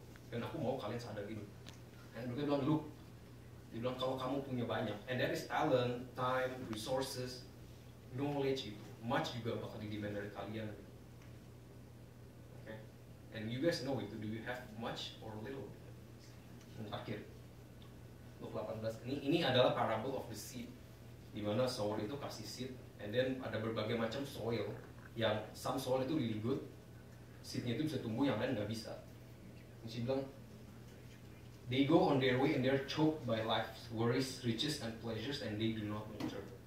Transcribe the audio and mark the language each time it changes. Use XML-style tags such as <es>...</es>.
<id>Dan aku mau kalian sadar ini. Dan mereka bilang, look, dia bilang kalau kamu punya banyak,</id> <en>and that is talent, time, resources, knowledge,</en> <id>itu much juga bakal di demand dari kalian.</id> <en>And you guys know it. Do you have much or little?</en> <id>Dan akhir, Luke 18. Ini adalah parable of the seed, di mana sower itu kasih seed,</id> <en>and then</en> <id>ada berbagai macam soil. Yang some soil itu</id> <en>really good,</en> <id>seednya itu bisa tumbuh, yang lain nggak bisa. Dia bilang,</id> <en>they go on their way and they're choked by life's worries, riches, and pleasures, and they do not mature.</en>